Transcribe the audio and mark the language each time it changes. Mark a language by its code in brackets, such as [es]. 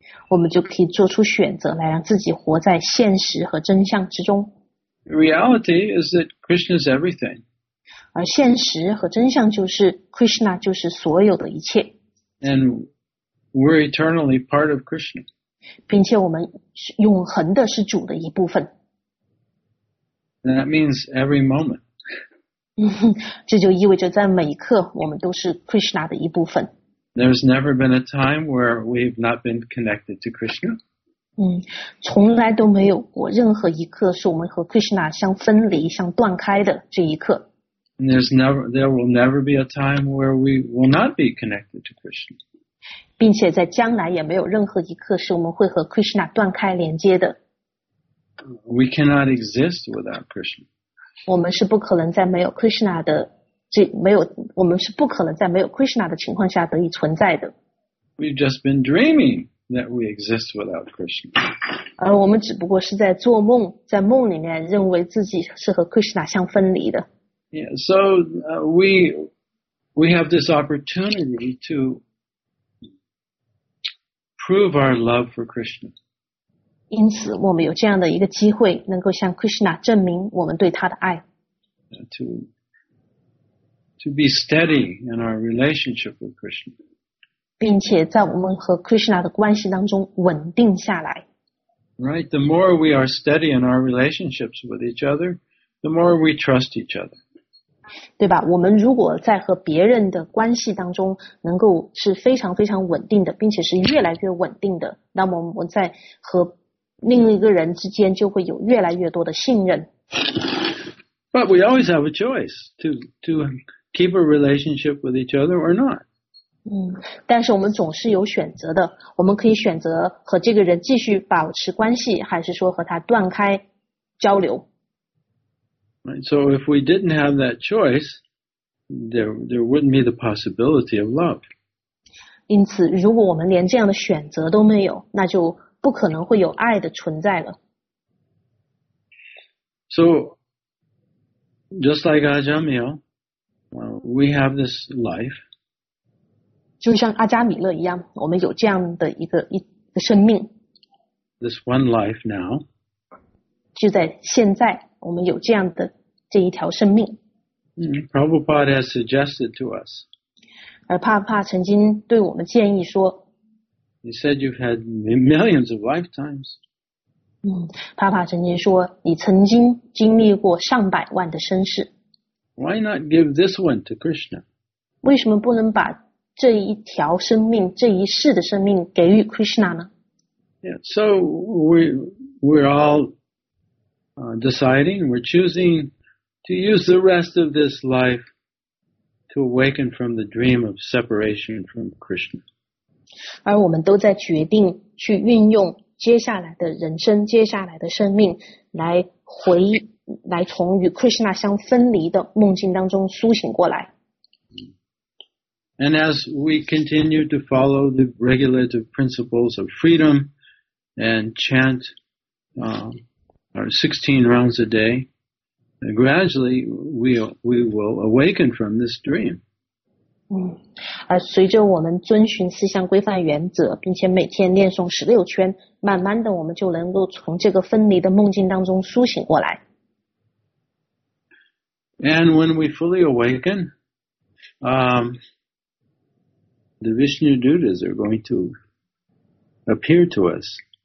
[zh] 我们就可以做出选择来让自己活在现实和真相之中。 [en] Reality is that Krishna is everything. [zh] 而现实和真相就是 Krishna 就是所有的一切。 [en] And we're eternally part of Krishna. [zh] 并且我们永恒的是主的一部分。 [en] And that means every moment. [zh] 这就意味着在每一刻我们都是 Krishna 的一部分。 [en] There's never been a time where we've not been connected to Krishna. [zh] 从来都没有过任何一刻是我们和 Krishna 相分离、相断开的这一刻。 [en] There will never be a time where we will not be connected to Krishna. [zh] 并且在将来也没有任何一刻是我们会和 Krishna 断开连接的。 [en] We cannot exist without Krishna. [zh] 我们是不可能在没有 Krishna 的这没有我们是不可能在没有 Krishna 的情况下得以存在的。 [en] We've just been dreaming. That we exist without Krishna. [zh] 而我们只不过是在做梦，在梦里面认为自己是和 Krishna 相分离的。 [en] Yeah, so we have this opportunity to prove our love for Krishna. [zh] 因此，我们有这样的一个机会，能够向 Krishna 证明我们对他的爱。 [en] To be steady in our relationship with Krishna. [zh] 并且在我们和 Krishna 的关系当中稳定下来。 [en] Right? The more we are steady in our relationships with each other, the more we trust each other. [zh] 对吧？我们如果在和别人的关系当中能够是非常非常稳定的，并且是越来越稳定的，那么我们在和另一个人之间就会有越来越多的信任。 [en] But we always have a choice to keep a relationship with each other or not. [zh] 嗯，但是我们总是有选择的。我们可以选择和这个人继续保持关系，还是说和他断开交流。 [en] Right, so if we didn't have that choice, there wouldn't be the possibility of love. [zh] 因此，如果我们连这样的选择都没有，那就不可能会有爱的存在了。 [en] So, just like Ajamil, we have this life. [zh] 就像阿加米勒一样，我们有这样的一个生命。 [en] This one life now. [zh] 就在现在，我们有这样的。这一条生命。 [en] Prabhupada has suggested to us. [zh] 而帕帕曾经对我们建议说。 [en] He said you've had millions of lifetimes. [zh] 帕帕曾经说你曾经经历过上百万的生世。 [en] Why not give this one to Krishna? [zh] 为什么不能把这一条生命这一世的生命给予 Krishna 呢 [en] yeah, So we're all deciding, we're choosing,To use the rest of this life to awaken from the dream of separation from Krishna. [zh] 而我们都在决定去运用接下来的人生，接下来的生命，来从与 Krishna 相分离的梦境当中苏醒过来。 [en] And as we continue to follow the regulative principles of freedom and chant our 16 rounds a day,Gradually, we will awaken from this dream. [zh] 随着我们遵循四项规范原则，并且每天念诵十六圈，慢慢的我们就能够从这个分离的梦境当中苏醒过来。 [en] And when we fully awaken, the Vishnu Dutas are going to appear to us.